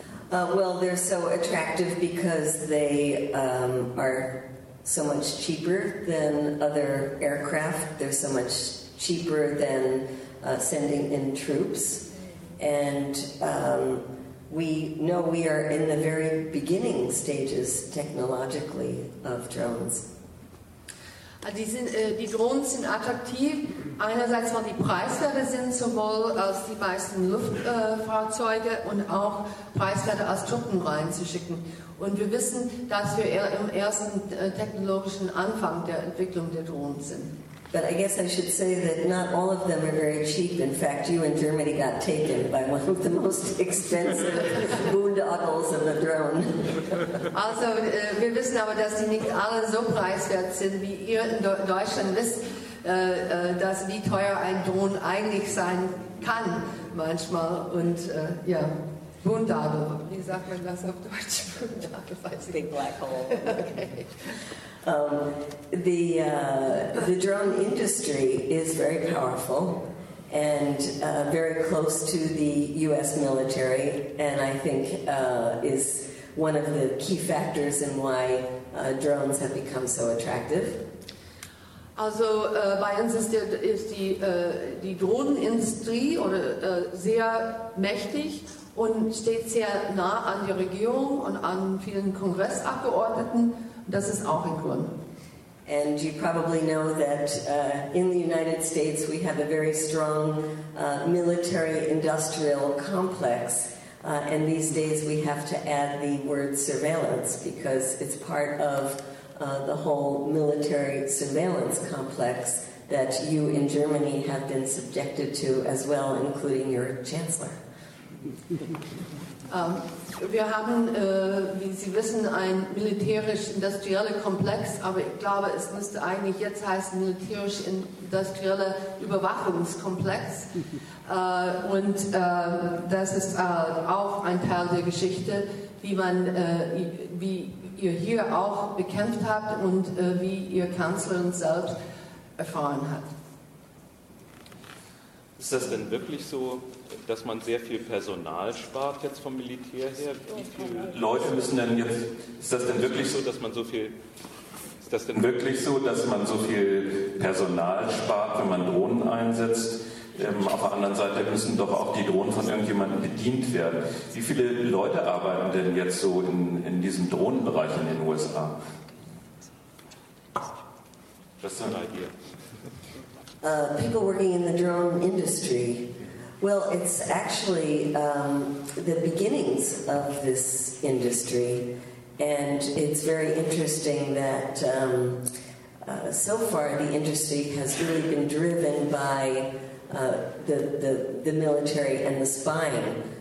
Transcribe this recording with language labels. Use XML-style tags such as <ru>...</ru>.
<en>Well, they're so attractive because they are so much cheaper than other aircraft. They're so much cheaper than sending in troops. And we know we are in the very beginning stages technologically of drones.</en> <de>Die Drohnen sind attraktiv, einerseits weil die preiswerter sind, sowohl als die meisten Luftfahrzeuge und auch preiswerter als Truppen reinzuschicken. Und wir wissen, dass wir eher im ersten technologischen Anfang der Entwicklung der Drohnen sind.</de> <en>But I guess I should say that not all of them are very cheap. In fact, you in Germany got taken by one of the most expensive boondoggles of the drone.</en> <de>Also, wir wissen aber, dass die nicht alle so preiswert sind, wie ihr in Deutschland wisst, dass wie teuer ein Drohne eigentlich sein kann manchmal. Und ja, boondoggle. Wie sagt man das auf Deutsch?</de> <en>Big black hole. Okay. The drone industry is very powerful and very close to the U.S. military, and I think is one of the key factors in why drones have become so attractive.</en> <de>Also bei uns ist die Drohnenindustrie oder sehr mächtig und steht sehr nah an der Regierung und an vielen Kongressabgeordneten. Das ist auch ein Grund.</de> <en>And you probably know that in the United States we have a very strong military-industrial complex, and these days we have to add the word surveillance because it's part of the whole military surveillance complex that you in Germany have been subjected to as well, including your chancellor.</en> <de>Wir haben, wie Sie wissen, einen militärisch-industriellen Komplex, aber ich glaube, es müsste eigentlich jetzt heißen militärisch-industrieller Überwachungskomplex. Und das ist auch ein Teil der Geschichte, wie man, wie ihr hier auch bekämpft habt und wie ihr Kanzlerin selbst erfahren hat. Ist das denn wirklich so, dass man sehr viel Personal spart jetzt vom Militär her? Wie viele Leute müssen denn jetzt? Ist das denn wirklich so, dass man so viel? Ist das denn wirklich so, dass man so viel Personal spart, wenn man Drohnen einsetzt? Auf der anderen Seite müssen doch auch die Drohnen von irgendjemandem bedient werden. Wie viele Leute arbeiten denn jetzt so in diesem Drohnenbereich in den USA? Was ist deine Idee?</de> <en>People working in the drone industry. Well, it's actually the beginnings of this industry, and it's very interesting that So far, the industry has really been driven by the military and the spying.</en>